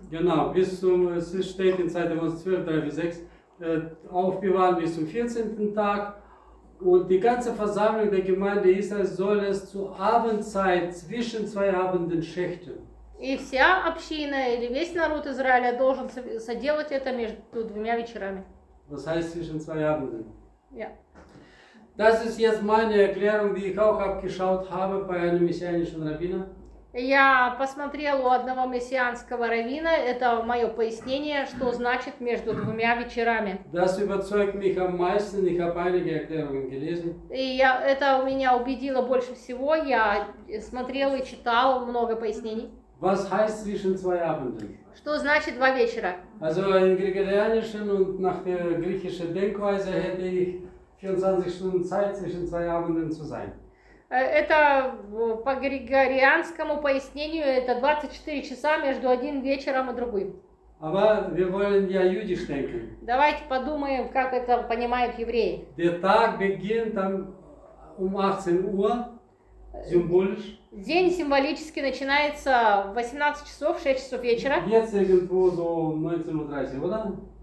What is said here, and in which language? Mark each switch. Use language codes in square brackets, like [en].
[de] Genau, es steht in Zeit 12:3-6, aufbewahren bis zum 14. Tag. Und die ganze Versammlung der Gemeinde Israel soll es zur Abendzeit zwischen zwei Abenden schächten. [ru] И вся община или весь народ Израиля должен соделать это между двумя вечерами. [de] Was heißt zwischen zwei Abenden? Ja. Das ist jetzt meine Erklärung, die ich auch abgeschaut habe bei einem messianischen Rabbiner. [ru] Я посмотрел у одного мессианского раввина, это мое пояснение, что значит между двумя вечерами. [de] Das überzeugt mich am meisten, ich habe einige Erklärungen gelesen. [ru] И это меня убедило больше всего, я смотрел и читал много пояснений. [de] Was heißt zwischen zwei Abenden? [ru] Что значит два вечера? [de] Also in gregorianischen und nach der griechischen Denkweise hätte ich 24 Stunden Zeit zwischen zwei Abenden zu sein. [ru] Это по григорианскому пояснению это 24 часа между одним вечером и другим. [de] Aber wir wollen ja jüdisch denken. [ru] Давайте подумаем, как это понимают евреи. [de] Der Tag beginnt am 18 Uhr, symbolisch. [ru] День символически начинается в 18 часов, 6 часов вечера. [de] Jetzt irgendwo so 19 Uhr 30, oder?